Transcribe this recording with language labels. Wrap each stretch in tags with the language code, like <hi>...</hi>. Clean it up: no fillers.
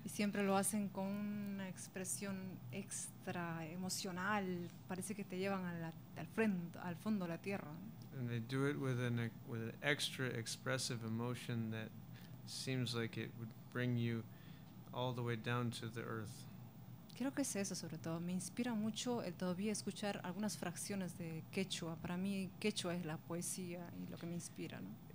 <es>Y siempre lo hacen con una expresión extra emocional. Parece que te llevan al fondo de la tierra.</es> <en>And they do it with an extra expressive emotion that seems like it would bring you all the way down to the earth.</en> <es>Creo que es eso sobre todo. Me inspira mucho el todavía escuchar algunas fracciones de Quechua. Para mí Quechua es la poesía y lo que me inspira, ¿no?</es>